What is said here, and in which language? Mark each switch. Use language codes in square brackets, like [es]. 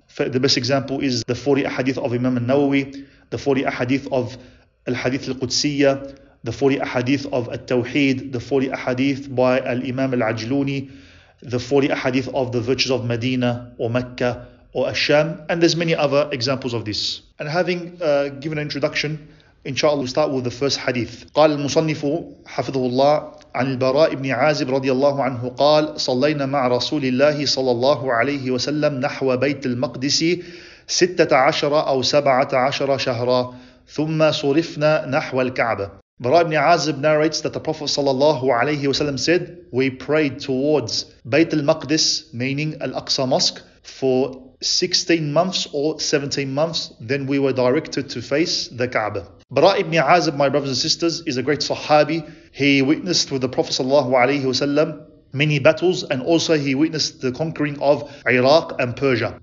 [en] The best example is the 40 ahadith of Imam al-Nawawi, the 40 ahadith of al-Hadith al-Qudsiyya, the 40 ahadith of al-Tawheed, the 40 ahadith by al-Imam al-Ajluni, the 40 ahadith of the virtues of Medina or Mecca or Al-Sham, and there's many other examples of this. And having given an introduction, inshallah, we'll start with the first hadith. [ar] قال المصنف حفظه الله عن البراء بن عازب رضي الله عنه قال صلينا مع رسول الله صلى الله عليه وسلم نحو بيت المقدس 16 أو 17 شهرا ثم صرفنا نحو الكعبة. [en] براء بن عازب narrates that the Prophet [ar] صلى الله عليه وسلم [en] said, we prayed towards بيت المقدس, meaning Al-Aqsa Mosque, for 16 months or 17 months, then we were directed to face the Kaaba. Bara ibn Azib, my brothers and sisters, is a great Sahabi. He witnessed with the Prophet sallallahu alayhi wasallam many battles, and also he witnessed the conquering of Iraq and Persia.